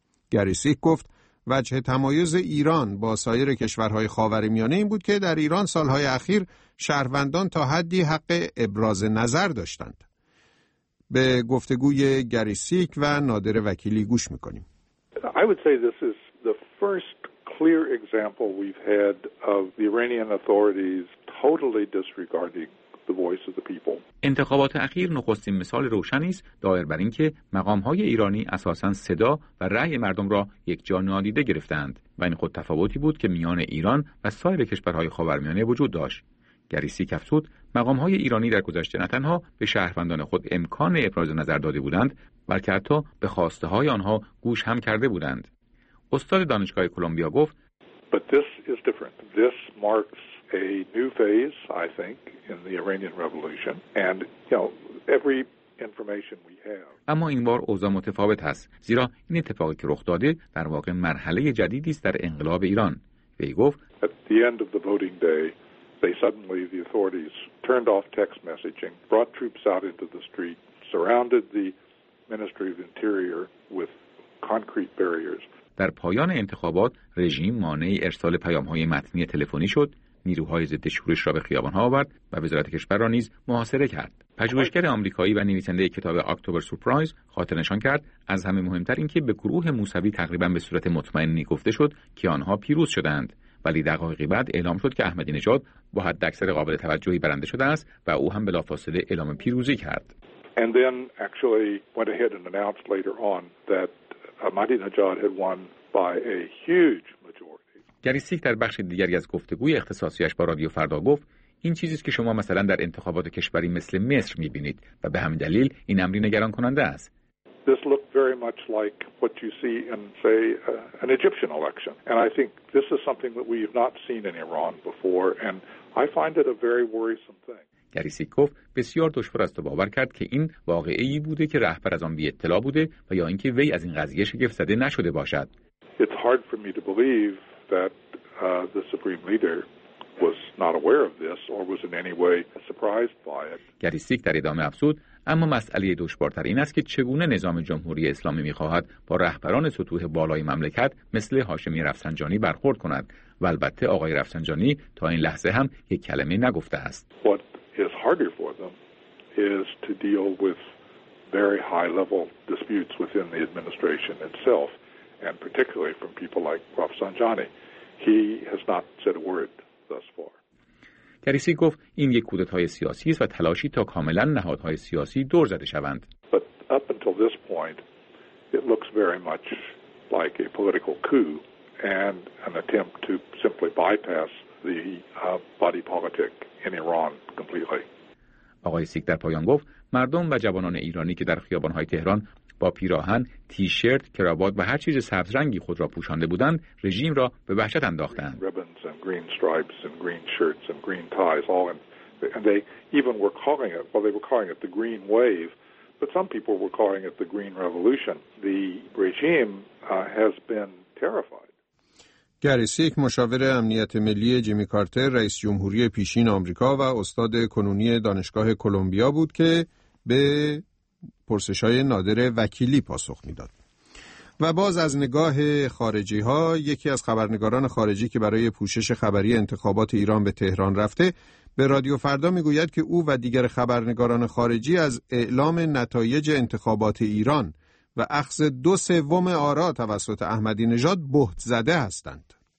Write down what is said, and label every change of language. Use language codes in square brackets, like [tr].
[fa] گری سیک گفت وجه تمایز ایران با سایر کشورهای خاورمیانه این بود که در ایران سالهای اخیر شهروندان تا حدی حق ابراز نظر داشتند. به گفتگوی گری سیک و نادر وکیلی گوش میکنیم. [en] I would say this is the first clear example we've had of the Iranian authorities totally disregarding the voice of the people. [fa] انتخابات اخیر نخستین مثال روشنی است دایر بر اینکه مقام‌های ایرانی اساساً صدا و رأی مردم را یکجا نادیده گرفتند، و این خود تفاوتی بود که میان ایران و سایر کشورهای خاورمیانه وجود داشت. گریسی کفتود، مقام‌های ایرانی در گذشته نه تنها به شهروندان خود امکان ابراز نظر داده بودند، بلکه حتی به خواسته های آنها گوش هم کرده بودند. استاد دانشگاه کلمبیا گفت [en] But this is different. This marks a new phase, I think, in the Iranian revolution. And, you know, every information we have. [fa] اما این بار اوضاع متفاوت است، زیرا این اتفاقی که رخ داده در واقع مرحله جدیدی است در انقلاب ایران. وی گفت [en] At the end of the voting day, they suddenly, the authorities turned off text messaging, brought troops out into the street, surrounded the Ministry of Interior with concrete barriers. [fa] در پایان انتخابات رژیم مانع ارسال پیام‌های متنی تلفنی شد، نیروهای ضد شورش را به خیابان‌ها آورد و وزارت کشور را نیز محاصره کرد. پژوهشگر آمریکایی و نویسنده کتاب اکتبر سورپرایز خاطر نشان کرد از همه مهمتر این که به گروه موسوی تقریبا به صورت مطمئنی گفته شد که آنها پیروز شدند، ولی دقایقی بعد اعلام شد که احمدی نژاد با حداکثر قابل توجهی برنده شده است و او هم بلافاصله اعلام پیروزی کرد. [en] And then actually went ahead and announced later on that Ahmadinejad had won by a huge majority. [fa] گری سیک در بخش دیگری از گفتگوی اختصاصیش با رادیو فردا گفت این چیزی است که شما مثلا در انتخابات کشوری مثل مصر می‌بینید و به همین دلیل این امری نگران کننده است. [en] This looked very much like what you see in say an Egyptian election, and I think this is something that we have not seen in Iran before, and I find it a very worrisome thing. [fa] گری سیک گفت بسیار دشوار است و باور کرد که این واقعی بوده که رهبر از آن بی اطلاع بوده و یا اینکه وی از این قضیه شگفت زده نشده باشد. [en] It's hard for me to believe that the supreme leader was not aware of this or was in any way surprised by it. [fa] گری سیک در ادامه افزود اما مسئله دشوارتر این است که چگونه نظام جمهوری اسلامی می‌خواهد با رهبران سطوح بالای مملکت مثل هاشمی رفسنجانی برخورد کند و البته آقای رفسنجانی تا این لحظه هم یک کلمه نگفته است. [en] is harder for them is to deal with very high level disputes within the administration itself and particularly from people like Rafsanjani. He has not said a word thus far. [fa] گریسی گفت این یک کودتای سیاسی است و تلاشی تا کاملا نهادهای سیاسی دور زده شوند. [en] But up until this point it looks very much like a political coup and an attempt to simply bypass body politic in Iran completely. [fa] آقای سیک در پایان گفت مردم و جوانان ایرانی که در خیابان‌های تهران با پیراهن، تیشرت، کراوات و هر چیز سبز رنگی خود را پوشانده بودند، رژیم را به وحشت انداختند. [en] Ribbons and green stripes and green shirts and green ties all and they even were calling it well they were calling it the green wave, but some people were calling it the green revolution. The regime has been terrified. [fa] گری سیک مشاور امنیت ملی جیمی کارتر رئیس جمهوری پیشین آمریکا و استاد کنونی دانشگاه کلمبیا بود که به پرسش‌های نادر وکیلی پاسخ می‌داد. و باز از نگاه خارجی‌ها یکی از خبرنگاران خارجی که برای پوشش خبری انتخابات ایران به تهران رفته به رادیو فردا می‌گوید که او و دیگر خبرنگاران خارجی از اعلام نتایج انتخابات ایران و اخذ 2/3 آرا توسط احمدی نژاد بهت زده هستند.